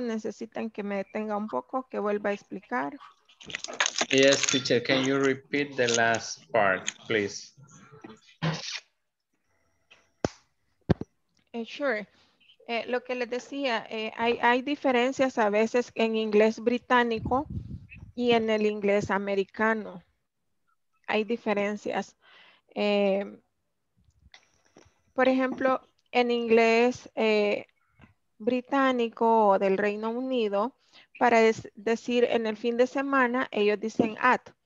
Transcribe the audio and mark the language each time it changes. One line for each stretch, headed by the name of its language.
Spanish: Necesitan que me detenga un poco, que vuelva a explicar.
English: Yes, teacher, can you repeat the last part, please? Sure.
Spanish: Lo que les decía, hay diferencias a veces en inglés británico y en el inglés americano. Hay diferencias. Por ejemplo, en inglés británico o del Reino Unido, para decir en el fin de semana, ellos dicen at.